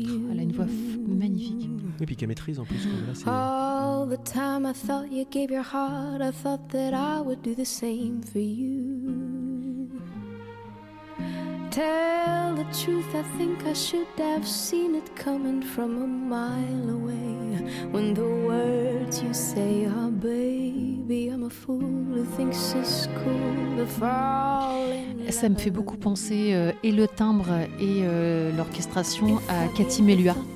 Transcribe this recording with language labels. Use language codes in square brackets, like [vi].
[fr] Elle a une voix magnifique. Et puis qu'elle maîtrise en plus. [en] All the time I thought you gave your heart, I thought that I would do the same for you. Tell the truth, I think I should have seen it coming from a mile away. When the words you say are, baby, I'm a fool who thinks it's cool to fall in love. [fr] Ça me fait beaucoup penser, et le timbre et l'orchestration, à Cathy Melua.